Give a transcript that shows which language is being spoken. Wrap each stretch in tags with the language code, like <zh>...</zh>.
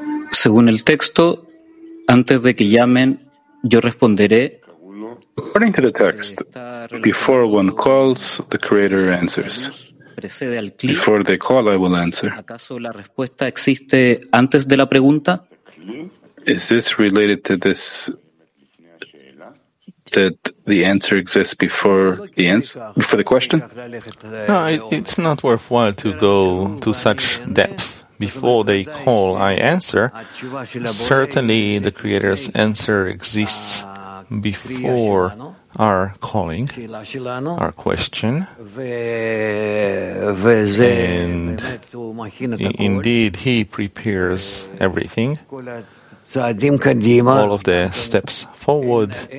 <es>Según el texto, antes de que llamen, yo responderé.</es> <en>According to the text, before one calls, the Creator answers. Before they call, I will answer.</en> <es>¿Acaso la respuesta existe antes de la pregunta?</es> <en>Is this related to this, that the answer exists before the before the question? No, it's not worthwhile to go to such depth. Before they call, I answer. Certainly, the Creator's answer exists before our calling, our question, and indeed he prepares everything, all of the steps forward.</en>